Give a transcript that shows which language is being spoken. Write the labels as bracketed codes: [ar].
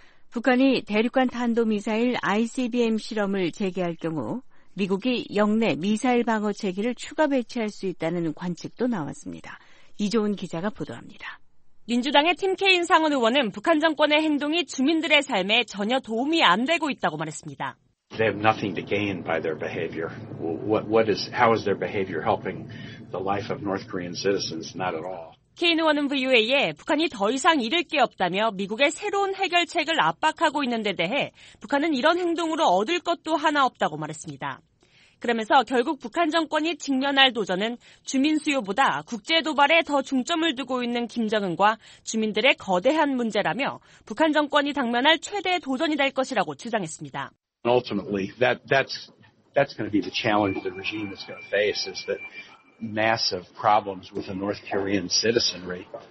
[ko] 북한이 대륙간 탄도미사일 ICBM 실험을 재개할 경우 미국이 영내 미사일 방어 체계를 추가 배치할 수 있다는 관측도 나왔습니다. 이조은 기자가 보도합니다. 민주당의 팀 케인 상원 의원은 북한 정권의 행동이 주민들의 삶에 전혀 도움이 안 되고 있다고 말했습니다. [en] They have nothing to gain by their behavior. How is their behavior helping the life of North Korean citizens? Not at all. [ko] 케인 의원은 VOA에 북한이 더 이상 잃을 게 없다며 미국의 새로운 해결책을 압박하고 있는 데 대해 북한은 이런 행동으로 얻을 것도 하나 없다고 말했습니다. 그러면서 결국 북한 정권이 직면할 도전은 주민 수요보다 국제 도발에 더 중점을 두고 있는 김정은과 주민들의 거대한 문제라며 북한 정권이 당면할 최대 도전이 될 것이라고 주장했습니다. [en] Ultimately, that's going to be the challenge the regime is going to face is that massive problems with the North Korean citizenry.